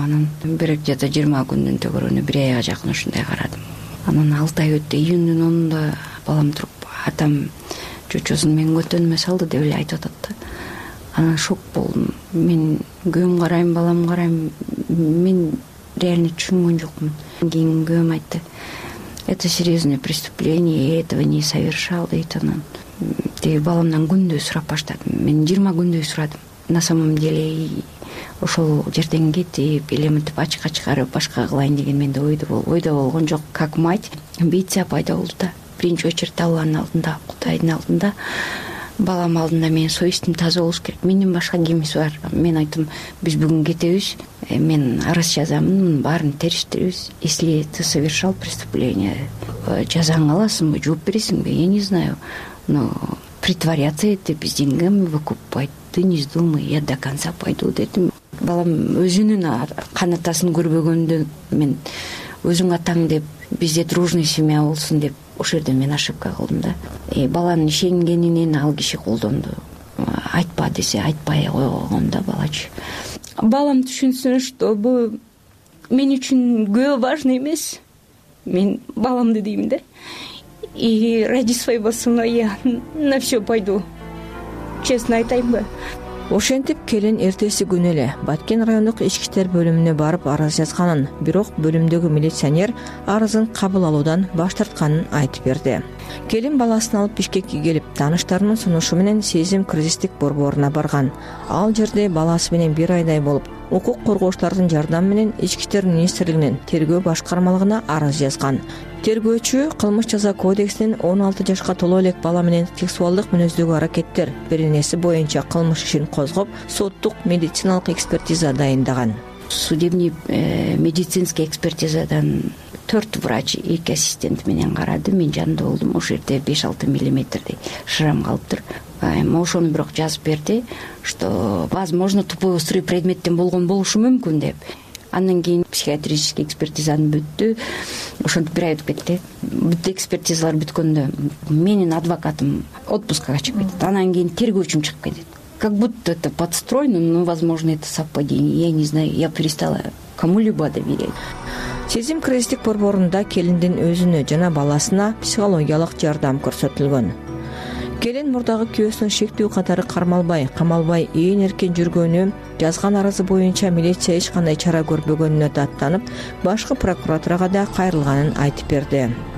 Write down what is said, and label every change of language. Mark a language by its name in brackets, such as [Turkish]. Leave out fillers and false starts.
[Kyrgyz] Анан бир где-то 20 күндүн төгөрүнө бир айга жакын ушундай карадым. Анан 6 ай өттү. Июндун 10-унда балам туруп атам чочосун менин көтөнүмө салды деп эле айтып атат да. Анан шок болдум. Мен күйөөм карайм, балам карайм. Мен реально түшүнгөн жокмун. Кийин күйөөм айтты: [Russian] это серьезное преступление, я этого не совершал, [Kyrgyz] дейт анан. Тиги баламдан күндөй сурап баштадым. Мен 20 күндөй сурадым. [Russian] На самом деле [Kyrgyz] ошол жерден кетип эле мынтип ачыкка чыгарып башка кылайын деген менде ойдо болгон жок. [Russian] Как мать, [Kyrgyz] амбиция пайда болду да. В биринчи очередь алланын алдында, кудайдын алдында, балам алдында менин совестим таза болуш керек. Менден башка кимиси бар? Мен айттым, биз бүгүн кетебиз, мен арыз жазамын, мунун баарын териштирибиз. [Russian] Если ты совершал преступление, [Kyrgyz] жазаң аласыңбы, жооп бересиңби? [Russian] Я не знаю. Но притворяться это биз деньгами выкупать. Ты не вздумай, я до конца пойду, дедим. [Kyrgyz] Балам өзүнүн кан атасын көрбөгөндө мен өзүн атаң деп бизде дружный семья болсун деп ошол жерден мен ошибка кылдым да. Баланын ишенгенинен ал киши колдонду. Айтпа десе айтпай койгом да балачы. Балам түшүнсүн, что бул мен үчүн күйөө важный эмес. Мен баламды дейм да. [Russian] И ради своего сына я на все пойду. [Kyrgyz] Честно айтайынбы. Ошентип келин эртеси күнү эле Баткен райондук ички иштер бөлүмүнө барып арыз жазганын, бирок бөлүмдөгү милиционер арызын кабыл алуудан баш тартканын айтып берди. Келин баласын алып Бишкекке келип, тааныштарынын сунушу менен сезим кризистик борборуна барган. Ал жерде баласы менен бир айдай болуп, укук коргоочулардын жардамы менен Ички иштер министрлигинин тергөө башкармалыгына арыз жазган. Тергөөчү кылмыш жаза кодексинин 16 жашка толо элек бала менен сексуалдык мүнөздөгү аракеттер беренеси боюнча кылмыш ишин козгоп, соттук медициналык экспертиза дайындаган. Судебный медицинский экспертизадан 4 врач, 2 ассистент менен карады. Мен жанында болдум. Ошол жерде 5-6 миллиметрдей шрам калыптыр. Ошону бирок жазып берди, [Russian] что возможно тупой острый [Kyrgyz] предметтен болгон болушу мүмкүн деп. Анан кийин психиатрический экспертизанын бүттү. Ошентип бир ай өтүп кетти. Бүт экспертизалар бүткөндө менин адвокатым отпускага чыгып кетет. Анан кийин тергөөчүм чыгып кетет. [Russian] Как будто это подстроено, но возможно это совпадение. Я не знаю, я перестала кому-либо доверять. [Kyrgyz] Сезим кризистик борборунда келиндин өзүнө жана баласына психологиялык жардам көрсөтүлгөн. Келин мурдагы күйөөсүн шектүү катары кармалбай, камалбай ээн эркин жүргөнү, жазган арызы боюнча милиция эч кандай чара көрбөгөнүнө даттанып, башкы прокуратурага да кайрылганын айтып берди.